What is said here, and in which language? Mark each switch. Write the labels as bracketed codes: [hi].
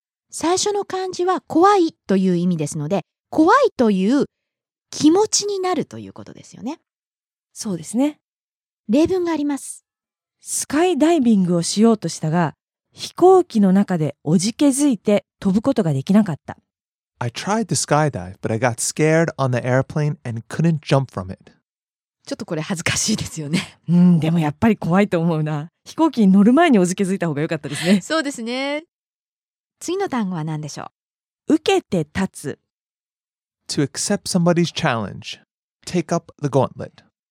[ja] 最初の漢字は怖いという意味ですので、怖いという気持ちになるということですよね。そうですね。例文があります。スカイダイビングをしようとしたが、飛行機の中でおじけづいて飛ぶことができなかった。 [en] I tried to skydive, but I got scared on the airplane and couldn't jump from it. [ja] ちょっとこれ恥ずかしいですよね。うん、でもやっぱり怖いと思うな。飛行機に乗る前におじけづいた方が良かったですね。そうですね。次の単語は何でしょう。受けて立つ。 [en] To accept somebody's challenge. Take up the gauntlet.